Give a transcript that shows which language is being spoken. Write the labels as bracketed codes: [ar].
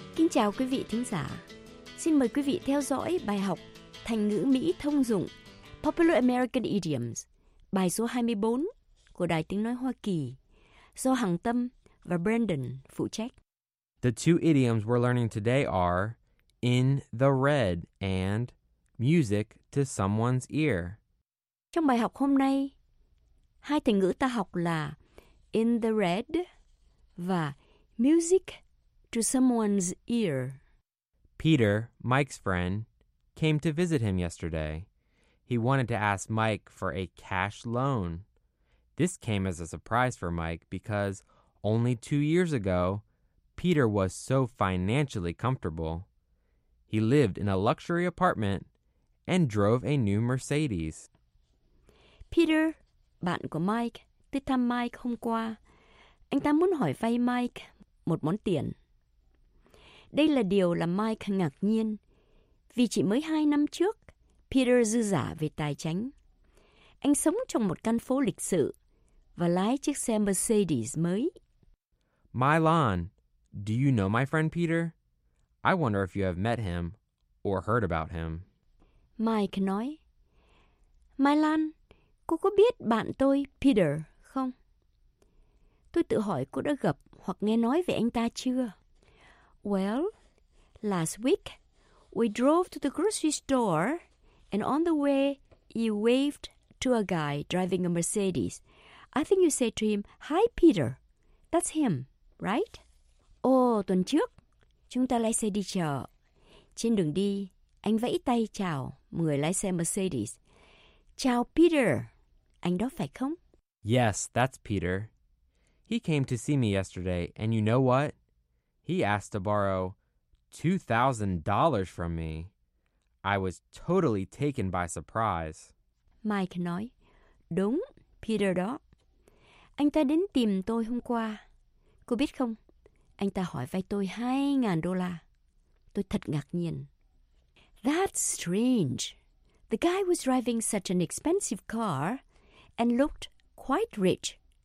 [vi] chào quý vị thính giả. Xin mời quý vị theo dõi bài học Thành ngữ Mỹ thông dụng [en] Popular American Idioms, [vi] bài số 24 của Đài Tiếng Nói Hoa Kỳ, do Hằng Tâm và Brandon phụ trách. [en] The two idioms we're learning today are in the red and music to someone's ear. [vi] Trong bài học hôm nay, hai thành ngữ ta học là [en] in the red [vi] và [en] music to someone's ear. Peter, Mike's friend, came to visit him yesterday. He wanted to ask Mike for a cash loan. This came as a surprise for Mike because only 2 years ago, Peter was so financially comfortable. He lived in a luxury apartment and drove a new Mercedes. [vi] Peter, bạn của Mike, tới thăm Mike hôm qua. Anh ta muốn hỏi vay Mike một món tiền. Đây là điều làm Mike ngạc nhiên, vì chỉ mới 2 năm trước, Peter dư giả về tài chính. Anh sống trong một căn phố lịch sự và lái chiếc xe Mercedes mới. [en] Milan, do you know my friend Peter? I wonder if you have met him or heard about him. [vi] Mike nói, Milan, cô có biết bạn tôi Peter không? Tôi tự hỏi cô đã gặp hoặc nghe nói về anh ta chưa? [en] Well, last week, we drove to the grocery store, and on the way, you waved to a guy driving a Mercedes. I think you said to him, hi, Peter. That's him, right? [vi] Oh, tuần trước, chúng ta lái xe đi chợ. Trên đường đi, anh vẫy tay chào người lái xe Mercedes. Chào, Peter. Anh đó phải không? [en] Yes, that's Peter. He came to see me yesterday, and you know what? He asked to borrow $2,000 from me. I was totally taken by surprise. [vi] Mike nói, đúng, Peter đó. Anh ta đến tìm tôi hôm qua. Cô biết không, anh ta hỏi vay tôi $2,000. Tôi thật ngạc nhiên. [en] That's strange. The guy was driving such an expensive car and looked quite rich.